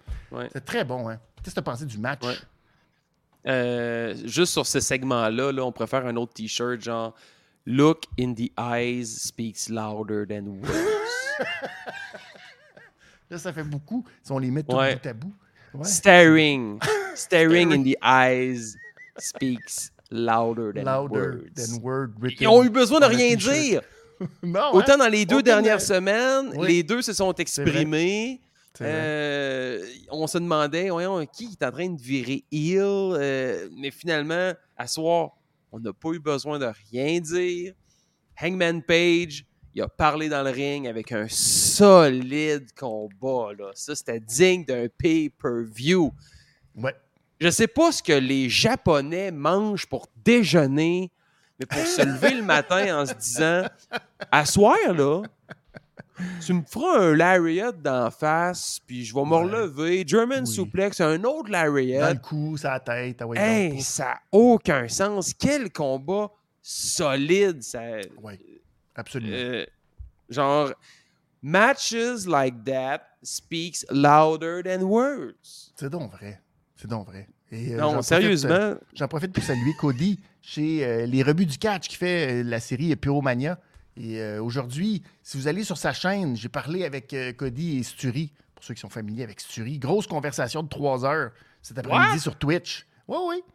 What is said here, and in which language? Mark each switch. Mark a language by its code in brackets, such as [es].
[fr] Ouais. C'est très bon, hein? Qu'est-ce que tu as pensé du match? Ouais. Juste sur ce segment-là, là, on préfère un autre t-shirt genre [en] Look in the eyes speaks louder than words. [fr] Là, ça fait beaucoup si on les met tout bout à bout. [en] Staring in the eyes speaks Louder than word. Written. [fr] Ils ont eu besoin de rien dire. Non, autant hein? dans les deux dernières semaines, oui. les deux se sont exprimés. On se demandait, voyons, qui est en train de virer heel? Mais finalement, à soir, on n'a pas eu besoin de rien dire. Hangman Page, il a parlé dans le ring avec un solide combat. Là. Ça, c'était digne d'un pay-per-view. Ouais. Je sais pas ce que les Japonais mangent pour déjeuner, mais pour se lever le matin en se disant « À soir, là, tu me feras un lariat d'en face, puis je vais me relever. German oui. suplex, un autre lariat. » Dans le cou, sa tête. Hey, ça n'a aucun sens. Quel combat solide. Ça... Oui, absolument. Genre, [en] « Matches like that speaks louder than words. » [fr] C'est donc vrai. C'est donc vrai. Et, non, sérieusement. J'en profite pour saluer Cody chez Les Rebuts du Catch qui fait la série Pyromania. Et aujourd'hui, si vous allez sur sa chaîne, j'ai parlé avec Cody et Sturi, pour ceux qui sont familiers avec Sturi. Grosse conversation de 3 heures cet après-midi sur Twitch. Oui, oui.